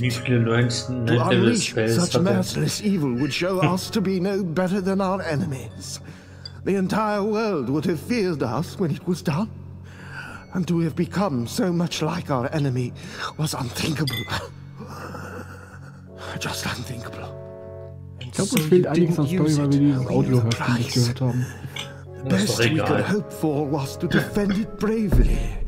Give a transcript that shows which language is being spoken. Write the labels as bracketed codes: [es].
[en] To unleash such merciless evil would show us to be no better than our enemies. The entire world would have feared us when it was done. And to have become so much like our enemy was unthinkable. Just unthinkable. [de] Ich glaube, es fehlt einiges an Story, weil wir dieses Audio-Hörspiel nicht gehört haben. [en] The best we could hope for was to defend it bravely.